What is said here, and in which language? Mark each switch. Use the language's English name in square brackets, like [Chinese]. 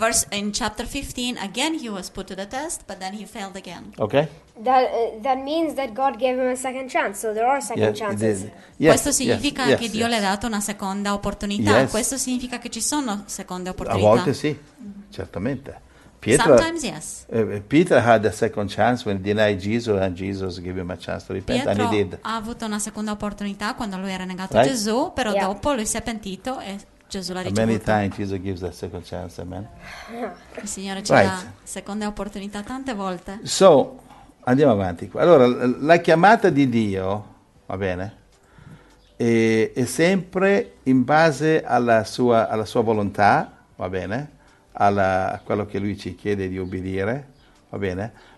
[English] In chapter 15 again he was put to the test, but then he failed again. Okay. That means that God gave him a second chance, so there are second chances. [Italian] Yes, questo significa che Dio le ha dato una seconda opportunità. Yes. Questo significa che ci sono seconde opportunità. A volte sì, certamente. [English] Peter had a second chance when he denied Jesus and Jesus gave him a chance to repent. [Italian] Pietro [English] and he did. [Italian] Ha avuto una seconda opportunità quando lui era negato, right? Gesù, però dopo lui si è pentito e Gesù l'ha ricevuto. [English] Many times Jesus gives a second chance, amen. [Italian] Il Signore ci dà seconde opportunità tante volte. So, andiamo avanti. Allora, la chiamata di Dio, va bene, è sempre in base alla sua volontà, va bene, a quello che lui ci chiede di obbedire, va bene?